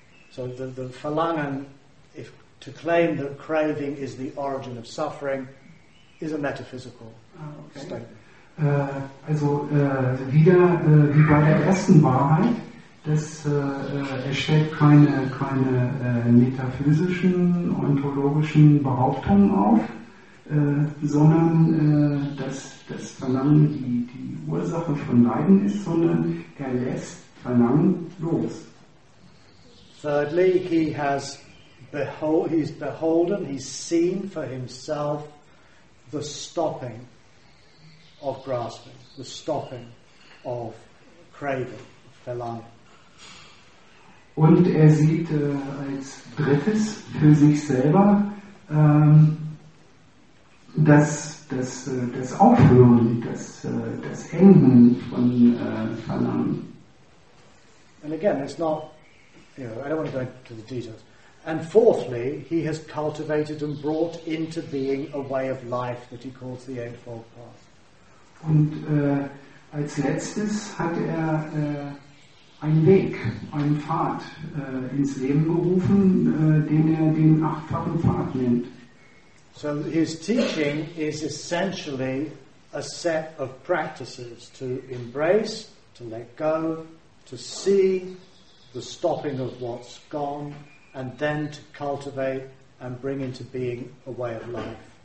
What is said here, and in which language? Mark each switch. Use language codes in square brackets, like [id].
[en] So the Verlangen, if to claim that craving is the origin of suffering, is a metaphysical statement. [de] Also wieder wie bei der ersten Wahrheit, das erstellt keine metaphysischen, ontologischen Behauptungen auf, sondern dass Verlangen die Ursache von Leiden ist, sondern er lässt Verlangen los. [en] Thirdly, he's beholden, he's seen for himself the stopping of grasping, the stopping of craving, Verlangen. [de] Und er sieht als Drittes für sich selber das Aufhören, das Enden von Verlangen. [en] And again, it's not, I don't want to go into the details. And fourthly, he has cultivated and brought into being a way of life that he calls the Eightfold Path. [de] Und als Letztes hat er einen Weg, einen Pfad ins Leben gerufen, den er den achtfachen Pfad nennt. [en] So his teaching is essentially a set of practices to embrace, to let go, to see the stopping of what's gone, and then to cultivate and bring into being a way of life.